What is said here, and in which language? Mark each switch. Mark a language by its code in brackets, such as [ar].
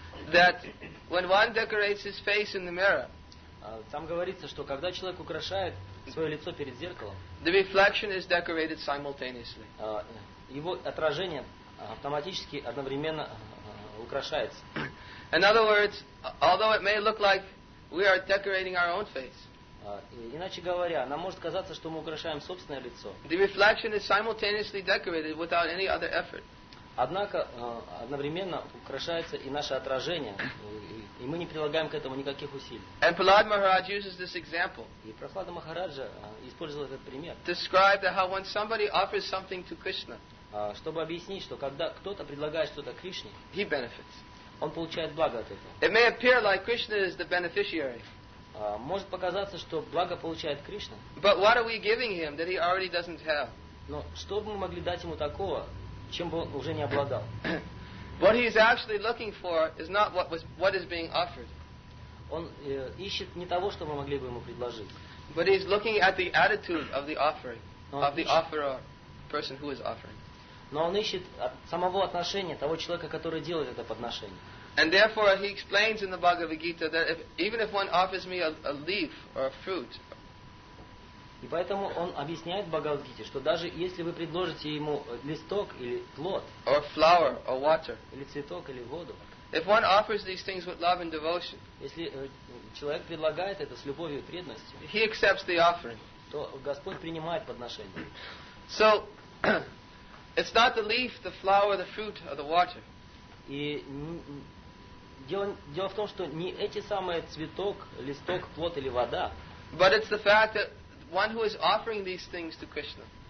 [en] That when one decorates his face in the mirror. [ru] Там говорится, что когда человек украшает свое лицо перед зеркалом. [en] The reflection is decorated simultaneously. [ru] Его отражение автоматически одновременно украшается. [en] In other words, although it may look like we are decorating our own face. [ru] Иначе говоря, нам может казаться, что мы украшаем собственное лицо. [en] The reflection is simultaneously decorated without any other effort. [ru] Однако одновременно украшается и наше отражение, и мы не прилагаем к этому никаких усилий. [en] And Prahlad Maharaj uses this example. [ru] И Прохлада Махараджа использовал этот пример. [en] Describe how when somebody offers something to Krishna. [ru] Чтобы объяснить, что когда кто-то предлагает что-то Кришне, [en] he benefits. [ru] Он получает благо от этого. [en] It may appear like Krishna is the beneficiary. [ru] Может показаться, что благо получает Кришна. [en] But what are we giving him that he already doesn't have? [ru] Но что бы мы могли дать ему такого, чем бы он уже не обладал? [en] What he is actually looking for is not what is being offered. [ru] Он ищет не того, что мы могли бы ему предложить. [en] But he is looking at the attitude of the offering, of the offerer, person who is offering. [ru] Но он ищет самого отношения того человека, который делает это подношение. [en] And therefore he explains in the Bhagavad Gita that even if one offers me a leaf or a fruit. [ru] И поэтому он объясняет в Бхагавад Гите, что даже если вы предложите ему листок или плод, [en] or flower or water, [ru] или цветок или воду, [en] if one offers these things with love and devotion, [ru] если человек предлагает это с любовью и преданностью, [en] he accepts the offering, [ru] то Господь принимает подношение. [en] So It's not the leaf, the flower, the fruit, or the water. [ru] И дело в том, что не эти самые цветок, листок, плод или вода. [en] But it's the fact that one who is offering these things to Krishna.